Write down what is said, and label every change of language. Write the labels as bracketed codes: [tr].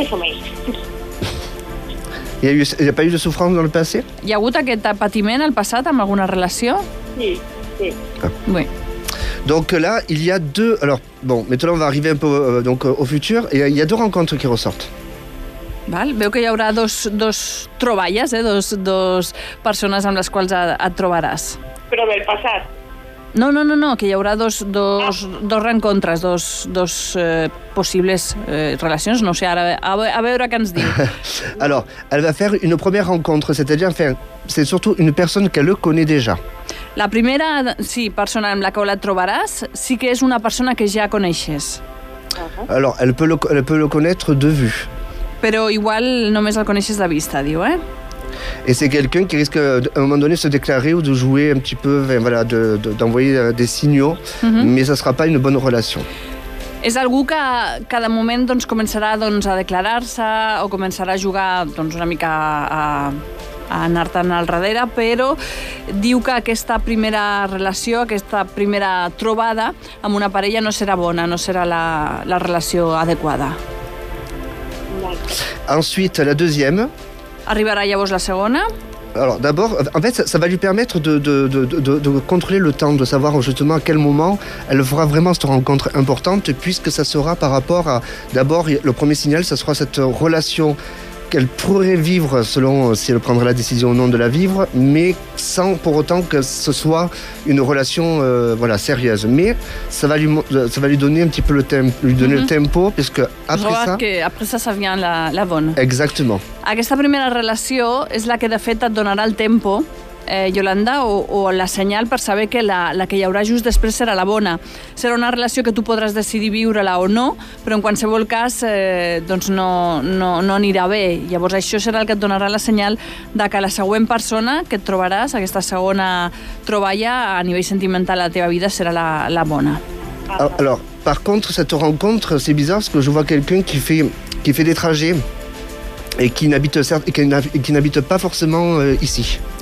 [ca] més o menys. Hi ha hagut de sofrir en el passat? Hi ha hagut aquest patiment al passat amb alguna relació? Sí. [fr] Oui. Donc là, il y a deux... Alors, bon, maintenant on va arriver un peu donc, au futur. Il y a deux rencontres qui ressortent. [ca] Val, veu que hi haurà dos troballes, dos persones amb les quals et trobaràs. Però del passat? No, que hi haurà dos reencontres, dos possibles relacions. No sé, ara a veure què ens diu. [fr] Alors, elle va faire une première rencontre, c'est-à-dire, enfin, c'est surtout une personne qu'elle connaît déjà. [ca] La primera, sí, persona amb la qual et trobaràs, sí que és una persona que ja coneixes. Uh-huh. [fr] Alors, elle peut le connaître de vue. [ca] Però igual només el coneixes de vista, diu, eh? [fr] Et c'est quelqu'un qui risque à un moment donné de se déclarer ou de jouer un petit peu, enfin, voilà, d'envoyer des signaux, mm-hmm. Mais ça ne sera pas une bonne relation. [ca] És algú que cada moment doncs, començarà doncs, a declarar-se o començarà a jugar doncs, una mica a anar-te'n al darrere, però diu que aquesta primera relació, aquesta primera trobada amb una parella no serà bona, no serà la relació adequada. [fr] Ensuite, la deuxième. [ca] Arribarà llavors la segona? [fr] Alors d'abord, en fait, ça va lui permettre de contrôler le temps, de savoir justement à quel moment elle fera vraiment cette rencontre importante, puisque ça sera par rapport à, d'abord, le premier signal, ça sera cette relation qu'elle pourrait vivre selon si elle prendrait la décision ou non de la vivre, mais sans pour autant que ce soit une relation voilà, sérieuse. Mais ça va lui donner un petit peu le tempo, parce que après ça vient la bonne. Exactement. [ca] Aquesta primera relació és la que de fet et donarà el tempo, Yolanda, o la senyal per saber que la que hi haurà just després serà la bona. Serà una relació que tu podràs decidir viure-la o no, però en qualsevol cas doncs no anirà bé. Llavors això serà el que et donarà la senyal de que la següent persona que et trobaràs, aquesta segona troballa a nivell sentimental a la teva vida, serà la bona. [fr] Alors, par contre, cette rencontre, c'est bizarre parce que je vois quelqu'un qui fait des trajets et qui n'habite pas forcément ici.